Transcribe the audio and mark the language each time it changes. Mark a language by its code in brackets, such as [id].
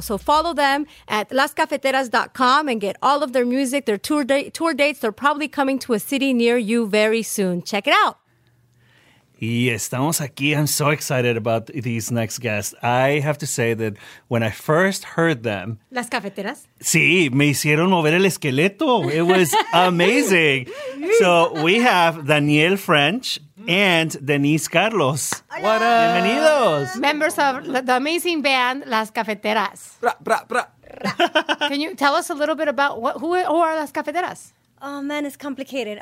[en] So follow them at lascafeteras.com and get all of their music, their tour dates. They're probably coming to a city near you very soon. Check it out. [es] Y estamos aquí. [en] I'm so excited about these next guests. I have to say that when I first heard them... Las Cafeteras. [es] Sí, me hicieron mover el esqueleto. [en] It was amazing. So we have Daniel French and Denise Carlos. [es] Hola. [en] What up? [es] Bienvenidos. [en] Members of the amazing band Las Cafeteras. Bra, bra, bra. Can you tell us a little bit about who are Las Cafeteras? Oh, man, it's complicated.